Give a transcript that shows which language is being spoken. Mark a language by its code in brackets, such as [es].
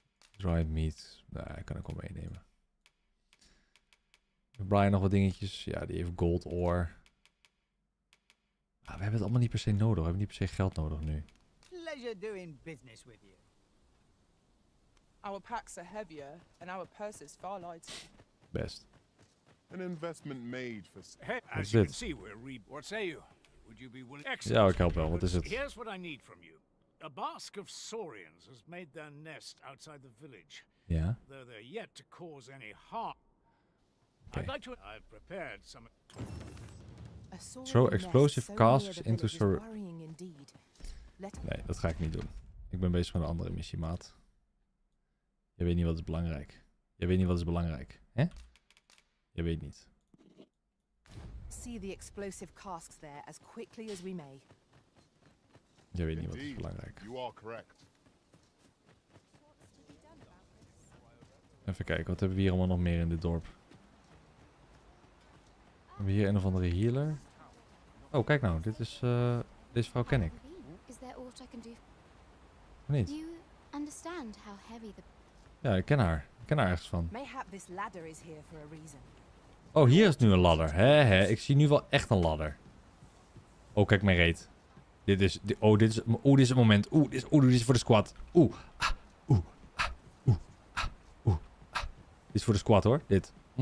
[en] Dried meat. [nl] Nou, nee, kan ik wel meenemen. Brian nog wat dingetjes. Ja, die heeft gold ore. Ah, we hebben het allemaal niet per se nodig. We hebben niet per se geld nodig nu. [en] Pleasure doing business with you. Our packs are heavier and our purses far lighter. [nl] Best. [en] An investment made for... Hey, as you can see, we're re... What say you? Would you be willing... Excellent. [nl] Ja, ik help wel. Wat is het? [en] Here's what I need from you. A Basque of Saurians has made their nest outside the village. Yeah. Though they're yet to cause any harm. Okay. I'd like to... I've prepared some... Throw explosive casks into... [nl] Nee, dat ga ik niet doen. Ik ben bezig met een andere missie, maat. Je weet niet wat is belangrijk. Je weet niet wat is belangrijk. Hè? Je weet niet. [en] See the explosive casks there as quickly as we may. [nl] Je weet niet wat is belangrijk. [en] You are correct. [nl] Even kijken, wat hebben we hier allemaal nog meer in dit dorp? Hebben we hier een of andere healer? Oh, kijk nou, dit is deze vrouw ken ik. [en] Is there aught I can do? [nl] Niet. [en] You understand how heavy the... [nl] Ja, ik ken haar. Ik ken haar ergens van. [en] Mayhap this ladder is here for a reason. [nl] Oh, hier is nu een ladder. Hé, ik zie nu wel echt een ladder. Oh, kijk mijn reet. Dit is... dit is het moment. Dit is voor de squad. Dit is voor de squad, hoor. Dit.